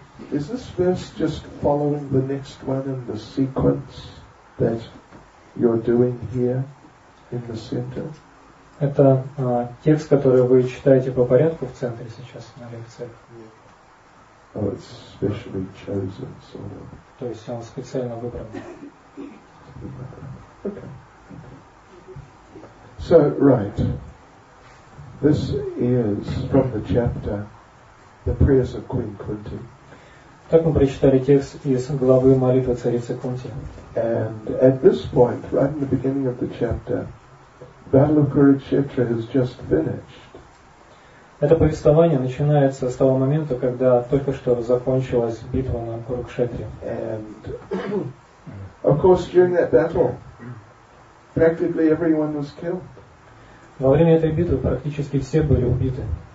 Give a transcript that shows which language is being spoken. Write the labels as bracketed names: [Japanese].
[English] Is this verse just following the next one in the sequence that you're doing here in the center? [Russian] Это текст, который вы читаете по порядку в центре сейчас на лекциях. [English] Oh, it's specially chosen, sort of. [Russian] То есть он специально выбран. [English] Okay. So, right. This is from the chapter The Prayers of Queen Kunti. [Russian] Так мы прочитали текст из главы молитвы царицы Кунти. [English] And at this point, right in the beginning of the chapter, battle of Kurukshetra has just finished. [Russian] Это повествование начинается с того момента, когда только что закончилась битва на Курукшетре. [English] And of course, during that battle, practically everyone was killed. [Russian] Во время этой битвы практически все были убиты.